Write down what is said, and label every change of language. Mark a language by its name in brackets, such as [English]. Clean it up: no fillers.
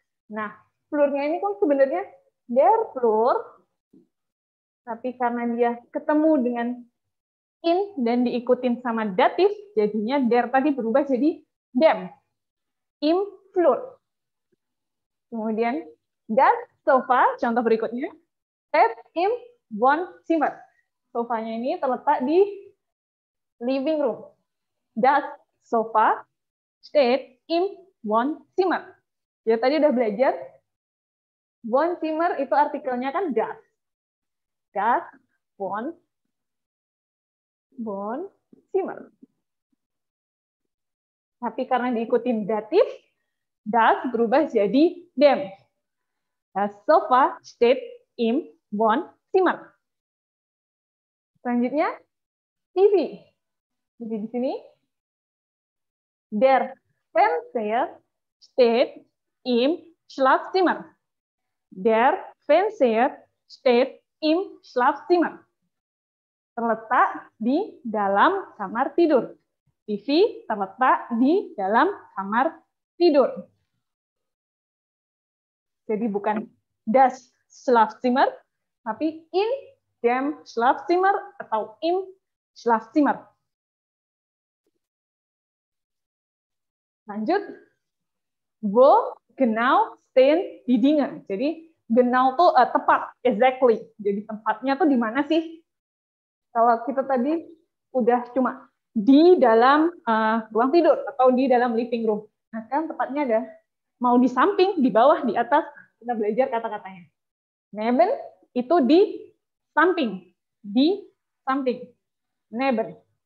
[Indonesian] Nah, flurnya ini kan sebenarnya der Flur, tapi karena dia ketemu dengan in dan diikutin sama datif, jadinya der tadi berubah jadi dem. Im Flur. [German] Kemudian, das Sofa, [Indonesian] contoh berikutnya, [German] steht im Wohnzimmer. [Indonesian] Sofanya ini terletak di living room. [German] Das Sofa steht im Wohnzimmer. [Indonesian] Ya, tadi udah belajar. Wohnzimmer itu artikelnya kan das. [German] Das Wohnzimmer. [Indonesian] Tapi karena diikutin datif, das berubah jadi dem. [German] Das Sofa steht im Wohnzimmer. [Indonesian] Selanjutnya, TV. Jadi di sini, [German] der Fernseher steht im Schlafzimmer. Der Fernseher steht im Schlafzimmer. [Indonesian] Terletak di dalam kamar tidur. TV terletak di dalam kamar tidur. Jadi bukan das Schlafzimmer, tapi in dem Schlafzimmer atau im Schlafzimmer. [German] Lanjut. Wo genau stehen die Dinge? [Indonesian] Jadi genau itu tepat, exactly. Jadi tempatnya tuh di mana sih? Kalau kita tadi udah cuma di dalam ruang tidur atau di dalam living room. Nah, sekarang tepatnya ada mau di samping, di bawah, di atas, kita belajar kata-katanya. Neben itu di samping. Di samping. Neben.